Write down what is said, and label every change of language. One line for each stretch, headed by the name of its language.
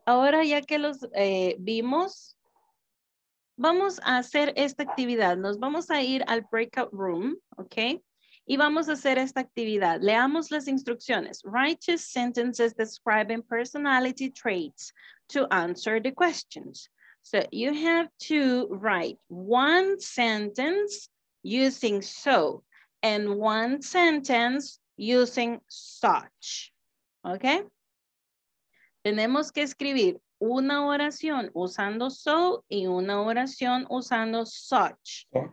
Spanish: Ahora ya que los vimos, vamos a hacer esta actividad. Nos vamos a ir al breakout room, ¿ok? Y vamos a hacer esta actividad. Leamos las instrucciones.
English: Write sentences describing personality traits to answer the questions. So you have to write one sentence using so and one sentence using such. ¿Ok?
Spanish: Tenemos que escribir una oración usando so y una oración usando such.